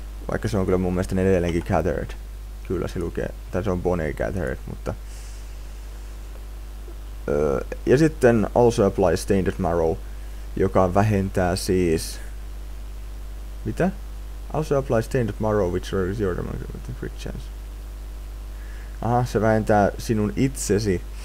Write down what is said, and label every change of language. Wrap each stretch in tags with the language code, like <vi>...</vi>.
<fi>Vaikka se on kyllä mun mielestä edelleenkin gathered. Kyllä se lukee, tai se on bone gathered, mutta ja sitten</fi> <en>also apply Tainted Marrow,</en> <fi>joka vähentää siis mitä?</fi> <en>Also apply Tainted Marrow, which reduces your damage with a crit chance.</en> <fi>Aha, se vähentää sinun itsesi</fi>